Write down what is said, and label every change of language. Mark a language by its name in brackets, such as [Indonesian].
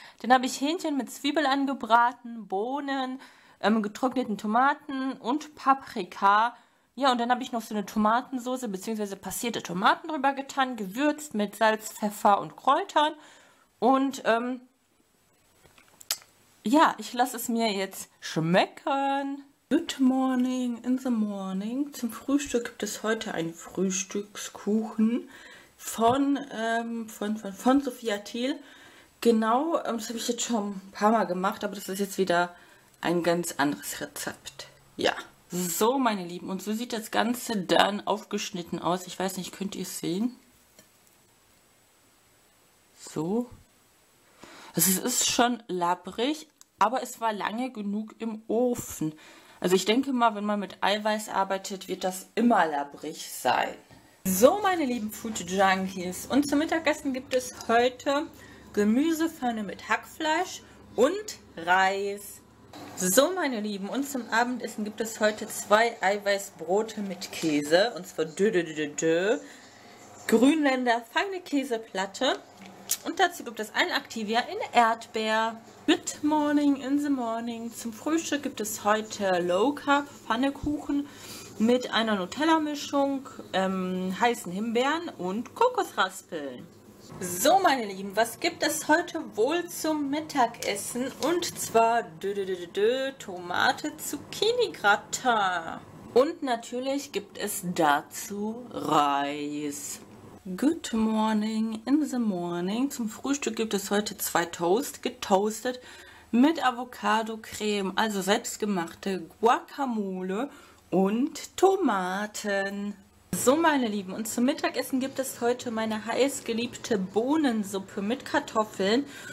[German] Dann habe ich Hähnchen mit Zwiebel angebraten, Bohnen, getrockneten Tomaten und Paprika. Ja, und dann habe ich noch so eine Tomatensoße bzw. passierte Tomaten drüber getan, gewürzt mit Salz, Pfeffer und Kräutern. Und ja, ich lasse es mir jetzt schmecken. [English] Good morning in the morning. [German] Zum Frühstück gibt es heute einen Frühstückskuchen von Sophia Thiel. Genau, das habe ich jetzt schon ein paar Mal gemacht, aber das ist jetzt wieder ein ganz anderes Rezept. Ja, so meine Lieben, und so sieht das Ganze dann aufgeschnitten aus. Ich weiß nicht, könnt ihr es sehen? So. Es ist schon labbrig, aber es war lange genug im Ofen. Also ich denke mal, wenn man mit Eiweiß arbeitet, wird das immer labbrig sein. So, meine lieben Food Junkies, und zum Mittagessen gibt es heute Gemüsepfanne mit Hackfleisch und Reis. So, meine Lieben, und zum Abendessen gibt es heute zwei Eiweißbrote mit Käse, und zwar Grünländer feine Käseplatte. Und dazu gibt es ein Activia in Erdbeer. [English] Good morning in the morning. [German] Zum Frühstück gibt es heute Low Carb Pfannkuchen mit einer Nutella-Mischung, heißen Himbeeren und Kokosraspeln. So, meine Lieben, was gibt es heute wohl zum Mittagessen? Und zwar Tomate Zucchini Gratin. Und natürlich gibt es dazu Reis. [English] Good morning in the morning. [German] Zum Frühstück gibt es heute zwei Toast, getoastet mit Avocado-Creme, also selbstgemachte Guacamole und Tomaten. So, meine Lieben, und zum Mittagessen gibt es heute meine heißgeliebte Bohnensuppe mit Kartoffeln.